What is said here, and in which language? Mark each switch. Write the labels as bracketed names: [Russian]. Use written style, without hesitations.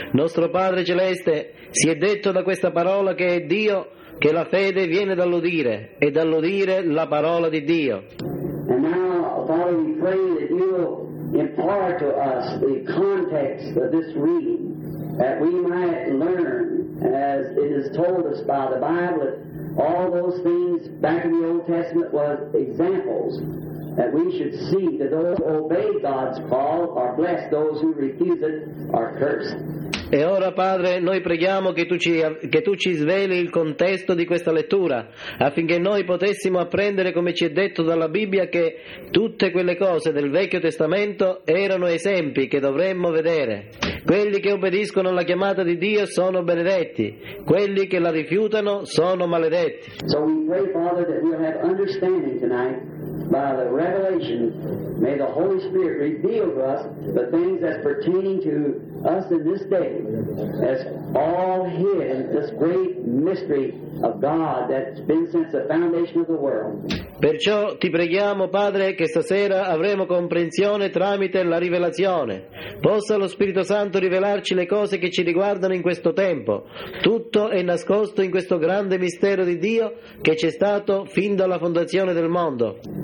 [Italian] Nostro Padre Celeste, si è detto da questa parola che è Dio, che la fede viene dall'udire, e dall'udire la parola di Dio. [English] And now, Father, we pray that you will impart to us the context of this reading, that we might learn, as it is told us by the Bible, that all those things back in the Old Testament were examples that we should see, that those who obey God's call are blessed, those who refuse it are cursed. [Italian] E ora, Padre, noi preghiamo che tu ci sveli il contesto di questa lettura, affinché noi potessimo apprendere, come ci è detto dalla Bibbia, che tutte quelle cose del Vecchio Testamento erano esempi che dovremmo vedere. Quelli che obbediscono alla chiamata di Dio sono benedetti, quelli che la rifiutano sono maledetti. [English] So we pray, Father, that we'll have understanding tonight by the revelation. May the Holy Spirit reveal to us the things that pertaining to us in this day, as all hidden, this great mystery of God that's been since the foundation of the world. [Italian] Perciò ti preghiamo, Padre, che stasera avremo comprensione tramite la rivelazione. Possa lo Spirito Santo rivelarci le cose che ci riguardano in questo tempo. Tutto è nascosto in questo grande mistero di Dio che c'è stato fin dalla fondazione del mondo.